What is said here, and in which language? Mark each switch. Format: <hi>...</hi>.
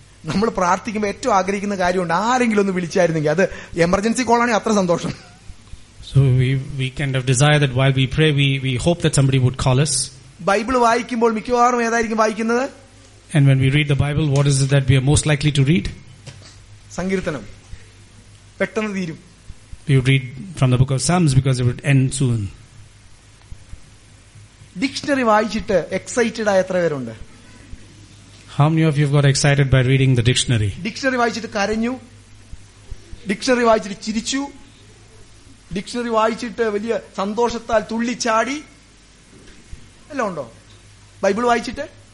<ml>നമ്മൾ പ്രാർത്ഥിക്കുമ്പോൾ ഏറ്റവും ആഗ്രഹിക്കുന്ന കാര്യമുണ്ട്, ആരെങ്കിലും ഒന്ന് വിളിച്ചായിരുന്നെങ്കിൽ, അത് എമർജൻസി കോൾ ആണെങ്കിൽ അത്ര സന്തോഷം.</ml> <en>So we kind of desire that while we pray, we hope that somebody would call us.</en> <ml>Bible വായിക്കുമ്പോൾ മിക്കവാറും ഏതായിരിക്കും വായിക്കുന്നത്?</ml> <en>And when we read the Bible, what is it that we are most likely to read?</en> <ml>സങ്കീർത്തനം. പെട്ടെന്ന് തീരും.</ml> <en>We would read from the book of Psalms because it would end soon.</en> <ml>Dictionary വായിച്ചിട്ട് excited ആയ എത്ര പേരുണ്ട്?</ml> <en>How many of you have got excited by reading the dictionary?</en> <ml>Dictionary വായിച്ചിട്ട് കരഞ്ഞു, dictionary വായിച്ചിട്ട് ചിരിച്ചു, ഡിക്ഷണറി വായിച്ചിട്ട് വലിയ സന്തോഷത്താൽ തുള്ളിച്ചാടി, എല്ലാം ഉണ്ടോ? ബൈബിൾ വായിച്ചിട്ട്?</ml>